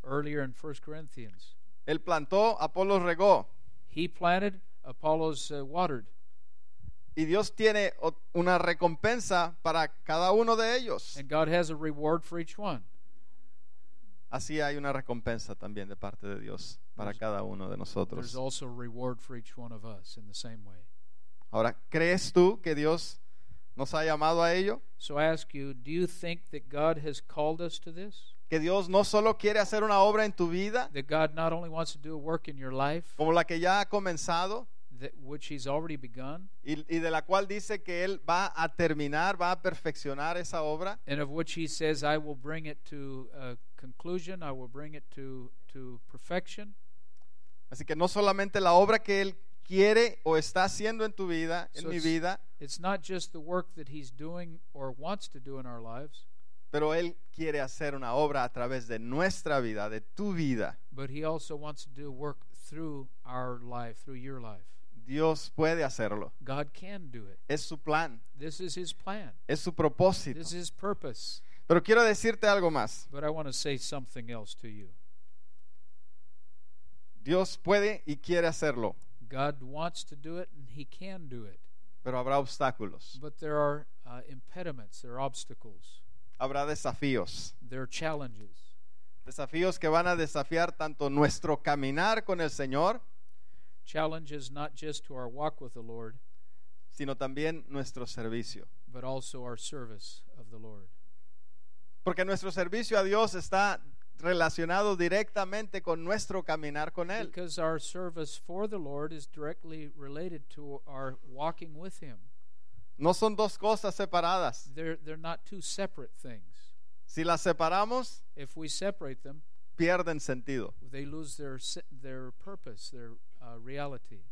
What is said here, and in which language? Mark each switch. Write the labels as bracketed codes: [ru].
[en] earlier in 1 Corinthians, [es] él plantó, Apolos regó. [en] He planted, Apollos watered. [es] Y Dios tiene una recompensa para cada uno de ellos. [en] And God has a reward for each one. [es] Así hay una recompensa también de parte de Dios para cada uno de nosotros. [en] There's also a reward for each one of us in the same way. [es] Ahora, ¿crees tú que Dios nos ha llamado a ello? [en] So I ask you, do you think that God has called us to this? [es] Que Dios no solo quiere hacer una obra en tu vida, [en] that God not only wants to do a work in your life, [es] como la que ya ha comenzado, [en] that which He's already begun, [es] y de la cual dice que Él va a terminar, va a perfeccionar esa obra, [en] and of which He says, I will bring it to a conclusion, I will bring it to perfection. [es] Así que no solamente la obra que Él quiere o está haciendo en tu vida, en [en] so [es] mi vida. [en] It's not just the work that He's doing or wants to do in our lives. [es] Pero Él quiere hacer una obra a través de nuestra vida, de tu vida. [en] But He also wants to do work through our life, through your life. [es] Dios puede hacerlo. [en] God can do it. [es] Es su plan. [en] This is His plan. [es] Es su propósito. [en] This is His purpose. [es] Pero quiero decirte algo más. [en] But I want to say something else to you. [es] Dios puede y quiere hacerlo. [en] God wants to do it and He can do it. [es] Pero habrá obstáculos. [en] But there are impediments, there are obstacles. [es] Habrá desafíos. [en] There are challenges. [es] Desafíos que van a desafiar tanto nuestro caminar con el Señor. [en] Challenges not just to our walk with the Lord. [es] Sino también nuestro servicio. [en] But also our service of the Lord. [es] Porque nuestro servicio a Dios está relacionado directamente con nuestro caminar con Él. [en] Because our service for the Lord is directly related to our walking with Him. [es] No son dos cosas separadas. [en] They're not two separate things. [es] Si las separamos, [en] if we separate them, [es] pierden sentido. [en] They lose their purpose, their reality.